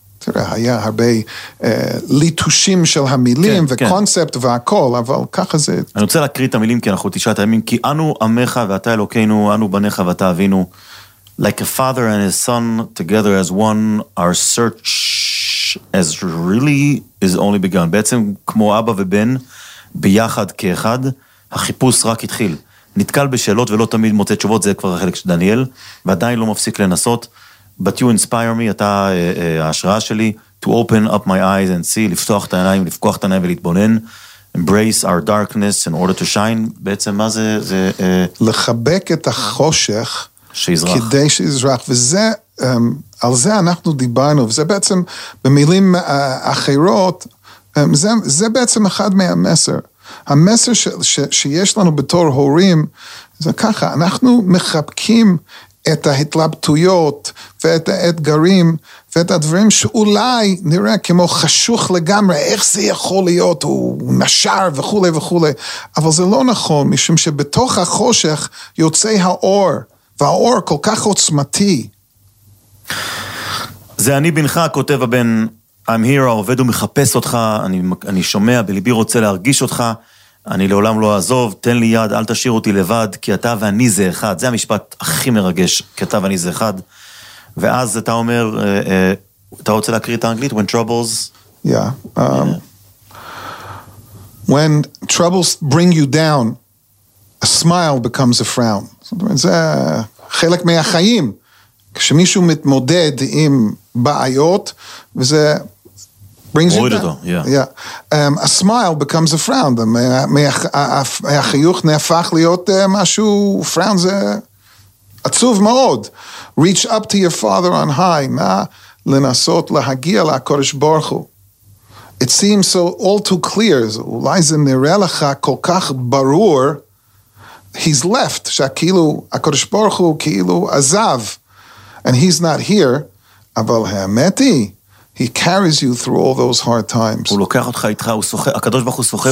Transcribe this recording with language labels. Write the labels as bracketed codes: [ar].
[he] תראה, היה הרבה ליטושים של המילים כן, וקונספט כן. והכל, אבל ככה זה... אני רוצה להקריא את המילים, כי אנחנו תשעת הימים, כי אנו עמך ואתה אלוקינו, אנו בניך ואתה אבינו. [en] Like a father and his son together as one, our search as really is only begun. [he] בעצם כמו אבא ובן, ביחד כאחד, החיפוש רק התחיל. נתקל בשאלות ולא תמיד מוצא תשובות, זה כבר החלק של דניאל, ועדיין לא מפסיק לנסות. [en] But you inspire me, [he] אתה ההשראה שלי, [en] to open up my eyes and see, [he] לפתוח את העיניים, לפקוח את העיניים ולהתבונן. [en] Embrace our darkness in order to shine. [he] בעצם מה זה? זה לחבק את החושך, שיזרח. כדי שיזרח, וזה, על זה אנחנו דיברנו, וזה בעצם, במילים אחרות, זה בעצם אחד מהמסר. המסר שיש לנו בתור הורים, זה ככה, אנחנו מחבקים את ההתלבטויות, ואת האתגרים, ואת הדברים שאולי נראה כמו חשוך לגמרי, איך זה יכול להיות, הוא נשר וכו' וכו', אבל זה לא נכון, משום שבתוך החושך יוצא האור, והאור כל כך עוצמתי. זה אני בנך, כותב הבן, [en] I'm here, [he] העובד ומחפש אותך, אני שומע, בליבי רוצה להרגיש אותך, אני לעולם לא אעזוב, תן לי יד, אל תשאיר אותי לבד, כי אתה ואני זה אחד. זה המשפט הכי מרגש, כי אתה ואני זה אחד. ואז אתה אומר, אתה רוצה להקריא את האנגלית, [en] when troubles... Yeah. When troubles bring you down, a smile becomes a frown. [he] זאת אומרת, זה חלק מהחיים. כשמישהו מתמודד עם בעיות, וזה... [en] brings you down. Yeah. A smile becomes a frown. [he] החיוך נהפך להיות משהו... frown זה עצוב מאוד. [en] Reach up to your father on high. [he] נא לנסות להגיע לקודש ברוך הוא. [en] It seems so all too clear. [he] אולי זה נראה לך כל כך ברור. [en] He's left. [he] שכאילו הקודש ברוך הוא כאילו עזב. [en] And he's not here. [he] אבל האמת היא, [en] he carries you through all those hard times. [he] הוא לוקח אותך איתך, הוא סוחב, הקדוש ברוך הוא סוחב.